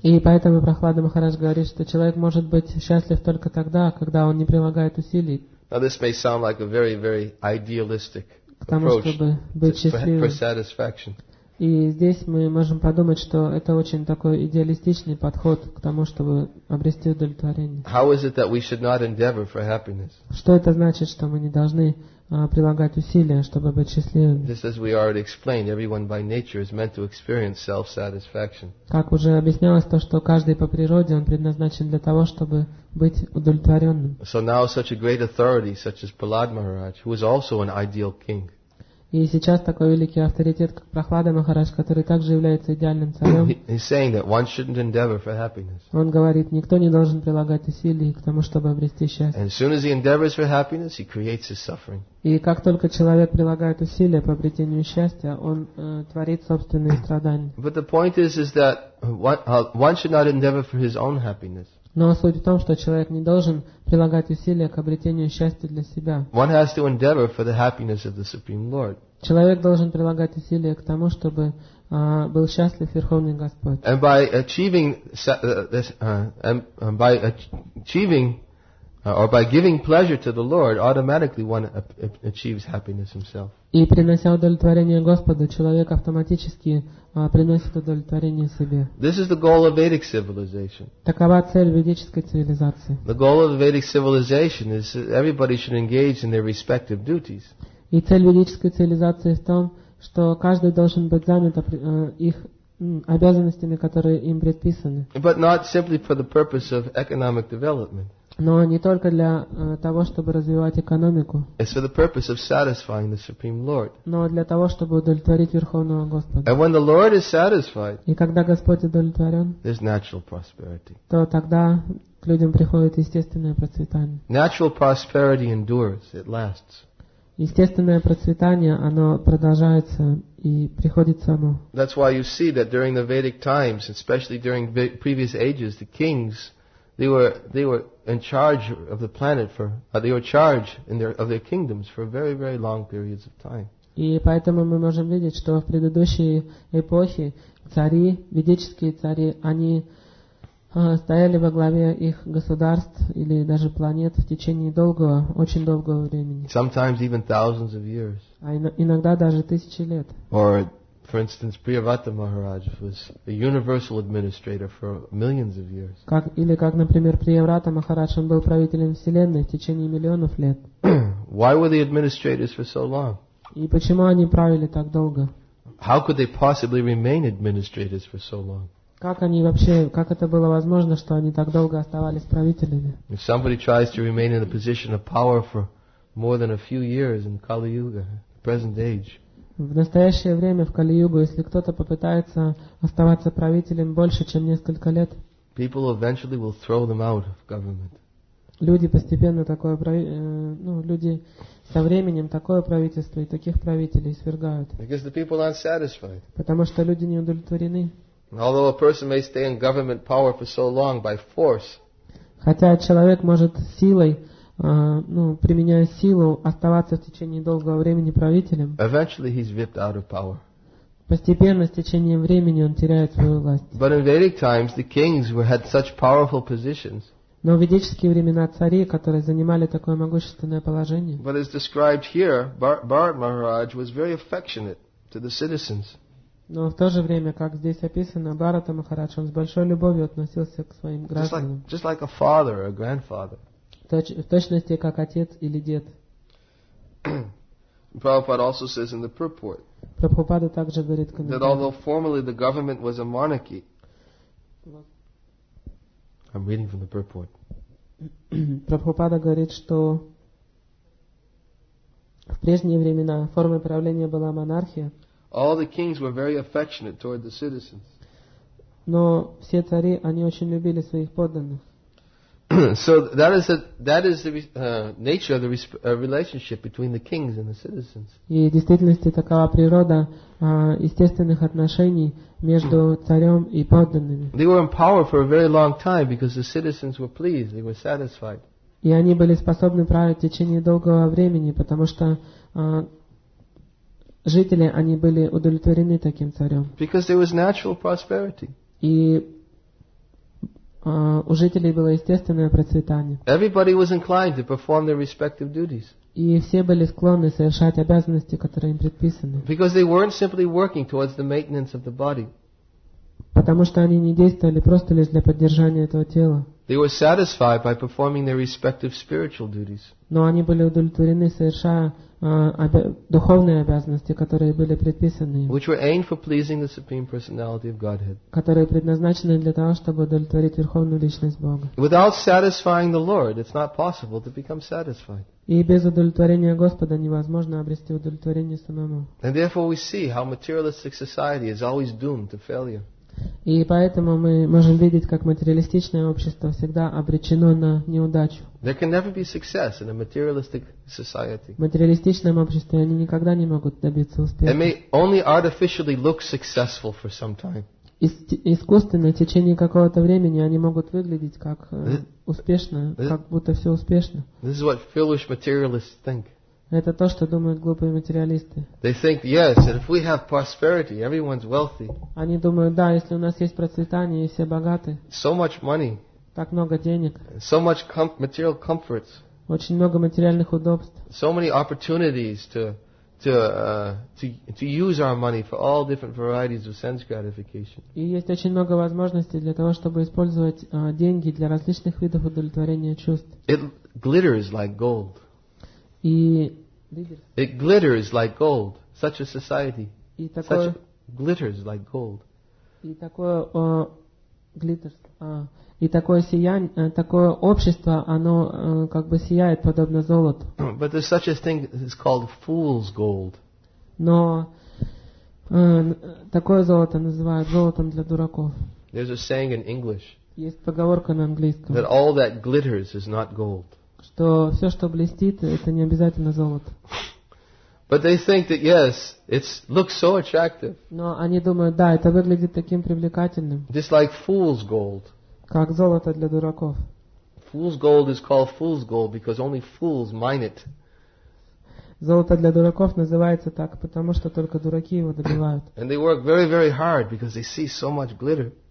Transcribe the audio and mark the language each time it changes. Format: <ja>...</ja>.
<ru>И поэтому Прахлада Махарадж говорит, что человек может быть счастлив только тогда, когда он не прилагает усилий.</ru> <en>Now this may sound like a very, very idealistic approach for satisfaction.</en> <ru>И здесь мы можем подумать, что это очень такой идеалистичный подход к тому, чтобы обрести удовлетворение.</ru> <en>How is it that we should not endeavor for happiness?</en> <ru>Что это значит, что мы не должны прилагать усилия, чтобы быть счастливыми?</ru> <en>Just as we already explained, everyone by nature is meant to experience self-satisfaction.</en> <ru>Как уже объяснялось, то, что каждый по природе, он предназначен для того, чтобы быть удовлетворенным.</ru> <en>So now such a great authority, such as Prahlad Maharaj, who is also an ideal king.</en> <ru>И сейчас такой великий авторитет, как Прахлада Махарадж, который также является идеальным царем,</ru> <en>he's saying that one shouldn't endeavor for happiness.</en> <ru>Он говорит, никто не должен прилагать усилий к тому, чтобы обрести счастье.</ru> <en>And as soon as he endeavors for happiness, he creates his suffering.</en> <ru>И как только человек прилагает усилия по обретению счастья, он творит собственные страдания.</ru> <en>But the point is that one should not endeavor for his own happiness.</en> <ru>Но суть в том, что человек не должен прилагать усилия к обретению счастья для себя.</ru> <en>One has to endeavor for the happiness of the Supreme Lord.</en> <ru>Человек должен прилагать усилия к тому, чтобы был счастлив Верховный Господь.</ru> <en>And by achieving this, and by achieving or by giving pleasure to the Lord, automatically one achieves happiness himself.</en> <ru>И принося удовлетворение Господу, человек автоматически приносит удовлетворение себе.</ru> <en>This is the goal of Vedic civilization.</en> <ru>Такова цель ведической цивилизации.</ru> <en>The goal of the Vedic civilization is that everybody should engage in their respective duties.</en> <ru>И цель ведической цивилизации в том, что каждый должен быть занят их обязанностями, которые им предписаны.</ru> <en>But not simply for the purpose of economic development.</en> <ru>Но не только для того, чтобы развивать экономику.</ru> <en>It's for the purpose of satisfying the Supreme Lord.</en> <ru>Но для того, чтобы удовлетворить Верховного Господа.</ru> <en>And when the Lord is satisfied,</en> <ru>и когда Господь удовлетворен,</ru> <en>there's natural prosperity.</en> <ru>То тогда к людям приходит естественное процветание.</ru> <en>Natural prosperity endures, it lasts.</en> <ru>Естественное процветание, оно продолжается и приходит само.</ru> <en>That's why you see that during the Vedic times, especially during previous ages, the kings, they were in charge of the planet for, they were in charge of their kingdoms for very, very long periods of time.</en> <ru>И поэтому мы можем видеть, что в предыдущие эпохи цари, ведические цари, они стояли во главе их государств или даже планет в течение долгого, очень долгого времени.</ru> <en>Sometimes even thousands of years.</en> <ru>А иногда даже тысячи лет.</ru> <en>Or, for instance, Priyavrata Maharaj was a universal administrator for millions of years.</en> <ru>Как, или как, например, Приеврата Махарадж, он был правителем Вселенной в течение миллионов лет.</ru> <en>Why were the administrators for so long?</en> <ru>И почему они правили так долго?</ru> <en>How could they possibly remain administrators for so long?</en> <ru>Как они вообще, как это было возможно, что они так долго оставались правителями?</ru> <en>If somebody tries to remain in a position of power for more than a few years in Kali-Yuga, present age.</en> <ru>В настоящее время в Кали-Югу, если кто-то попытается оставаться правителем больше, чем несколько лет,</ru> <en>people eventually will throw them out of government.</en> <ru>Люди постепенно такое, ну, люди со временем такое правительство и таких правителей свергают.</ru> <en>Because the people aren't satisfied.</en> <ru>Потому что люди не удовлетворены.</ru> <en>Although a person may stay in government power for so long by force,</en> <ru>хотя человек может силой, применяя силу, оставаться в течение долгого времени правителем,</ru> <en>eventually he's ripped out of power.</en> <ru>Постепенно, с течением времени, он теряет свою власть.</ru> <en>But in Vedic times, the kings had such powerful positions.</en> <ru>Но в ведические времена цари, которые занимали такое могущественное положение,</ru> <en>but as described here, Bharat Maharaj was very affectionate to the citizens.</en> <ru>Но в то же время, как здесь описано, Бхарата Махарадж, он с большой любовью относился к своим гражданам.</ru> <en>Just like a father or a grandfather.</en> <ru>В точности, как отец или дед.</ru> <en>Prabhupada also says in the purport,</en> <ru>Прабхупада также говорит в комментарии,</ru> <en>that although formerly the government was a monarchy, I'm reading from the purport.</en> <ru>Прабхупада говорит, что в прежние времена формой правления была монархия.</ru> <en>All the kings were very affectionate toward the citizens.</en> <ru>Но все цари, они очень любили своих подданных.</ru> <en>So that is the nature of the relationship between the kings and the citizens.</en> <ru>И в действительности такова природа естественных отношений между царем и подданными.</ru> <en>They were in power for a very long time because the citizens were pleased, they were satisfied.</en> <ru>И они были способны править в течение долгого времени, потому что жители, они были удовлетворены таким царем.</ru> <en>Because there was natural prosperity.</en> <ru>И у жителей было естественное процветание.</ru> <en>Everybody was inclined to perform their respective duties.</en> <ru>И все были склонны совершать обязанности, которые им предписаны.</ru> <en>Because they weren't simply working towards the maintenance of the body.</en> <ru>Потому что они не действовали просто лишь для поддержания этого тела.</ru> <en>They were satisfied by performing their respective spiritual duties.</en> <ru>Но они были удовлетворены, совершая духовные обязанности, которые были предписаны им,</ru> <en>which were aimed for pleasing the Supreme Personality of Godhead.</en> <ru>Которые предназначены для того, чтобы удовлетворить Верховную Личность Бога.</ru> <en>Without satisfying the Lord, it's not possible to become satisfied.</en> <ru>И без удовлетворения Господа невозможно обрести удовлетворение самому.</ru> <en>And therefore we see how materialistic society is always doomed to failure.</en> <ru>И поэтому мы можем видеть, как материалистичное общество всегда обречено на неудачу.</ru> <en>There can never be success in a materialistic society.</en> <ru>В материалистичном обществе они никогда не могут добиться успеха.</ru> <en>They may only artificially look successful for some time.</en> <ru>Искусственно, в течение какого-то времени, они могут выглядеть как успешно, как будто все успешно.</ru> <en>This is what foolish materialists think.</en> <ru>Это то, что думают глупые материалисты.</ru> <en>They think, yes, and if we have prosperity, everyone's wealthy.</en> <ru>Они думают, да, если у нас есть процветание и все богаты.</ru> <en>So much money.</en> <ru>Так много денег.</ru> <en>So much material comforts.</en> <ru>Очень много материальных удобств.</ru> <en>So many opportunities to use our money for all different varieties of sense gratification.</en> <ru>И есть очень много возможностей для того, чтобы использовать деньги для различных видов удовлетворения чувств.</ru> <en>It glitters like gold.</en> <ru>И</ru> <en>it glitters like gold. Such a society.</en> <ru>И такое</ru> <en>such glitters like gold.</en> <ru>И такое</ru> <en>glitters.</en> <ru>И такое сияние, такое общество, оно как бы сияет подобно золоту.</ru> <en>But there's such a thing that's called fool's gold.</en> <ru>Но такое золото называют золотом для дураков.</ru> <en>There's a saying in English.</en> <ru>Есть поговорка на английском.</ru> <en>That all that glitters is not gold.</en> <ru>Что все, что блестит, это не обязательно золото.</ru> <en>But they think that yes, it looks so attractive.</en> <ru>Но они думают, да, это выглядит таким привлекательным.</ru> <en>Just like fool's gold.</en> <ru>Как золото для дураков.</ru> <en>Fool's gold is called fool's gold because only fools mine it.</en> <ru>Золото для дураков называется так, потому что только дураки его добывают.</ru> <en>And they work very, very hard because they see so much glitter.</en>